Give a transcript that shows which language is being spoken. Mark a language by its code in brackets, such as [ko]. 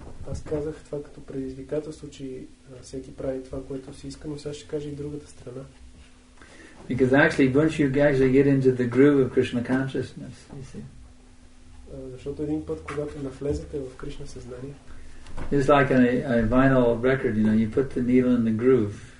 [bg] Аз казах това като предизвикателство, че всеки прави това, което си иска, но сега ще кажа и другата страна. [en] Because actually, once you guys get into the groove of Krishna consciousness, you see. [bg] Защото един път, когато навлезете в Кришна съзнание, [en] it's like a vinyl record, you know, you put the needle in the groove.